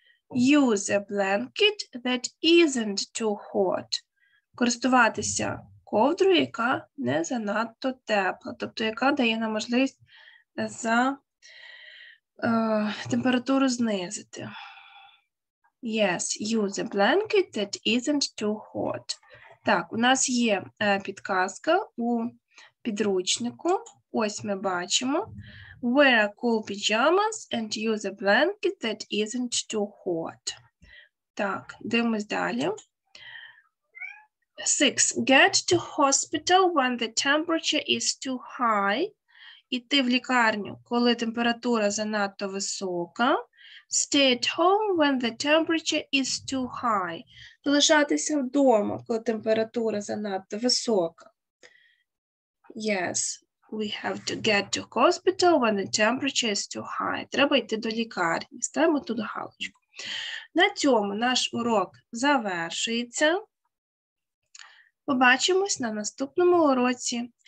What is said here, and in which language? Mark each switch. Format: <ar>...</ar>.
<en>Use a blanket that isn't too hot.</en> <uk>Користуватися ковдрою, яка не занадто тепла, тобто яка дає нам можливість за температуру знизити.</uk> <en>Yes, use a blanket that isn't too hot.</en> <uk>Так, у нас є підказка у підручнику. Ось ми бачимо.</uk> <en>Wear cool pajamas and use a blanket that isn't too hot.</en> <uk>Так, дивимось далі. 6.</uk> <en>Get to hospital when the temperature is too high.</en> <uk>Іти в лікарню, коли температура занадто висока.</uk> <en>Stay at home when the temperature is too high.</en> <uk>Залишатися вдома, коли температура занадто висока.</uk> <en>Yes. We have to get to hospital when the temperature is too high.</en> <uk>Треба йти до лікарні. Ставимо тут галочку. На цьому наш урок завершується. Побачимось на наступному уроці.</uk>